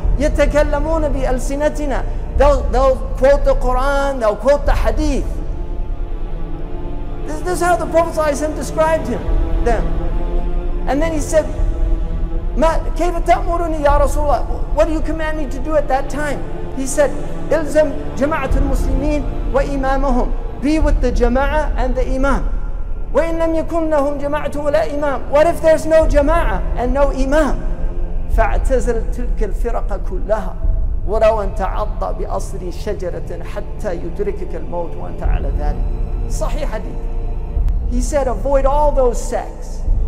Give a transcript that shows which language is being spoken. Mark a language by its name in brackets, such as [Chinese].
[Arabic] يَتَكَلَّمُونَ بِأَلْسِنَتِنَا. [English] They'll quote the Quran, they'll quote the Hadith. This is how the Prophet ﷺ described them. And then he said, [Arabic] ما كيف تأمرني يا رسول الله? [English] What do you command me to do at that time? He said, [Arabic] إلزم جماعة المسلمين وإمامهم. [English] Be with the jama'ah and the imam. [Arabic] وإن لم يكن لهم جماعة ولا إمام. [English] What if there's no jama'ah and no imam? [Arabic] فاعتزل تلك الفرق كلها. وَلَوْ أَنْ تَعَضَّ بِأَصْرِ شَجَرَةٍ حَتَّى يُدْرِكِكَ الْمَوْتُ وَأَنْ تَعَلَى ذَلِكَ. [English] Sahih Hadith. He said, avoid all those sects.